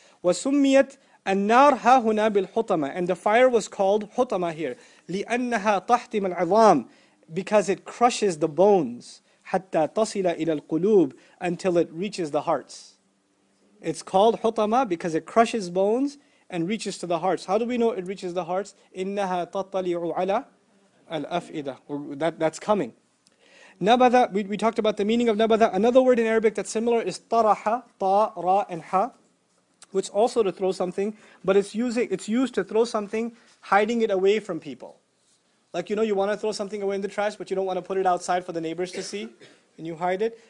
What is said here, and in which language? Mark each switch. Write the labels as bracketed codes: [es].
[ar] وَسُمِّيَتْ النَّارْ هَا هُنَا بِالْحُطَمَةِ [en] And the fire was called حُطَمَة here. [ar] لِأَنَّهَا تَحْتِمَ الْعِظَامِ [en] Because it crushes the bones. [ar] حَتَّى تَصِلَ إِلَى الْقُلُوبِ [en] Until it reaches the hearts. It's called حُطَمَة because it crushes bones and reaches to the hearts. How do we know it reaches the hearts? [ar] إِنَّهَا تَطَّلِعُ عَلَى الْأَفْئِدَةِ [en] That's coming. Nabatha, we talked about the meaning of nabatha. Another word in Arabic that's similar is taraha, ta, ra, and ha, which also to throw something, but it's used to throw something, hiding it away from people. Like, you know, you want to throw something away in the trash, but you don't want to put it outside for the neighbors to see, and you hide it.